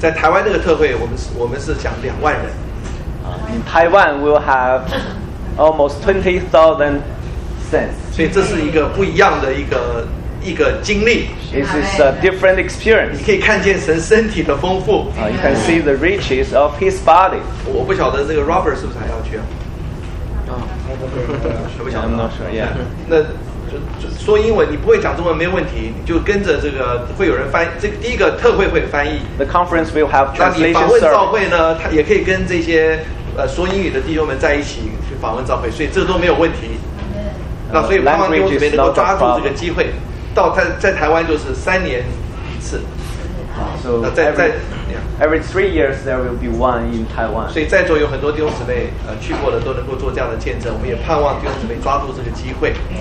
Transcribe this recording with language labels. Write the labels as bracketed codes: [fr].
[zh] 在台湾这个特会，我们是讲20,000人。 [en] In Taiwan, we'll have almost 20,000 cents. [zh] 所以这是一个不一样的一个一个经历。 [en] This is a different experience. [zh] 你可以看见神身体的丰富。 [en] You can see the riches of his body. [zh] 我不晓得这个 Robert 是不是还要去啊？我不晓得。 [en] I'm not sure. Yeah. [zh] 那就说英文，你不会讲中文没问题，你就跟着这个会有人翻译。这个、第一个特会会翻译。 [en] The conference will have translation service. [zh] 那你访问召会呢？他也可以跟这些说英语的弟兄们在一起去访问召会，所以这都没有问题。那所以盼望弟兄姊妹能够抓住这个机会，到在台湾就是三年一次。 [en] Every 3 years there will be one in Taiwan. [zh] 所以在座有很多弟兄姊妹去过的都能够做这样的见证，我们也盼望弟兄姊妹抓住这个机会。